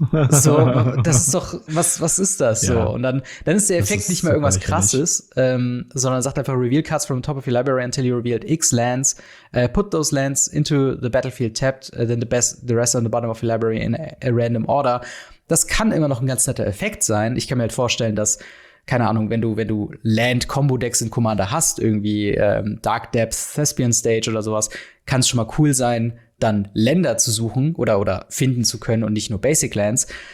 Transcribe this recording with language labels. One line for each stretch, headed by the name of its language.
German: So, das ist doch, was ist das so? Und dann ist der Effekt ist nicht mal irgendwas Krasses, sondern sagt einfach,
English: reveal cards from the top of your library until you revealed X lands. Put those lands into the battlefield tapped, then the rest on the bottom of your library in a random order.
German: Das kann immer noch ein ganz netter Effekt sein. Ich kann mir halt vorstellen, dass, keine Ahnung, wenn du Land-Combo-Decks in Commander hast, irgendwie Dark Depths, Thespian Stage oder sowas, kann es schon mal cool sein, dann Länder zu suchen oder finden zu können und nicht nur Basic Lands.